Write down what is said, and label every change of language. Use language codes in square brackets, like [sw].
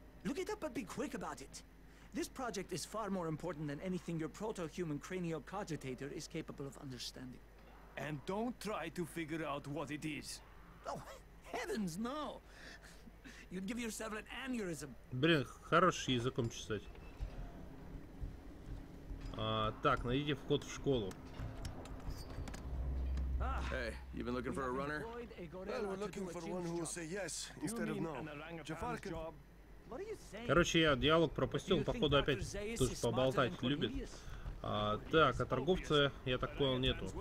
[en] Look it up, but be quick about it. This project is far more important than anything your proto-human cranial cogitator is capable of understanding. And don't try to figure out what it is. Oh, heavens, no! You'd give yourself an aneurysm. [ru] Блин, хороший языком чесать. Так, найдите вход в школу. [en] Hey, you've been looking for a runner? Well, we're looking for one who will say yes instead of no. Jafar can... [ru] Короче, я диалог пропустил, походу опять тут поболтать любит. А, так, а торговца, я так понял, нету.